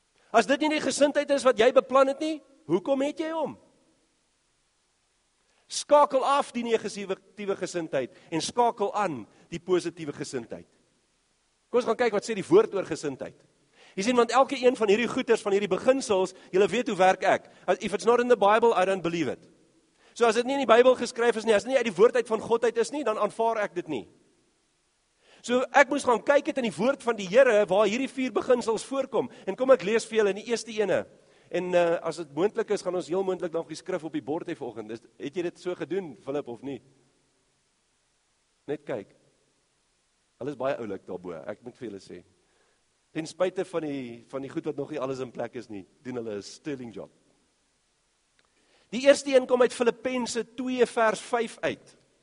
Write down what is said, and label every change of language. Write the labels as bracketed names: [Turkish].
[Afrikaans] As dit nie die gesindheid is wat jy beplan het nie, hoekom het jy hom? Skakel af die negatiewe gesindheid en skakel aan die positiewe gesindheid. Kom ons gaan kyk wat sê die woord oor gesindheid. Jy sien, want elke een van hierdie goeders, van hierdie beginsels, julle weet hoe werk ek. [English] If it's not in the Bible, I don't believe it. [Afrikaans] So as dit nie in die Bybel geskryf is nie, as dit nie uit die woordheid van God uit is nie, dan aanvaar ek dit nie. So ek moes gaan kyk het in die woord van die Here waar hierdie vier beginsels voorkom. En kom ek lees vir julle in die eerste ene. En as dit moontlik is, gaan ons heel moontlik nog die skrif op die bord hê vanoggend. Het jy dit so gedoen, Philip, of nie? Net kyk. Alles baie oulik daarbo. Ek moet vir julle sê. Ten spyte van die goed wat nog nie alles in plek is nie, doen hulle 'n sterling job. Die eerste een kom uit Filippense 2 vers 5 uit.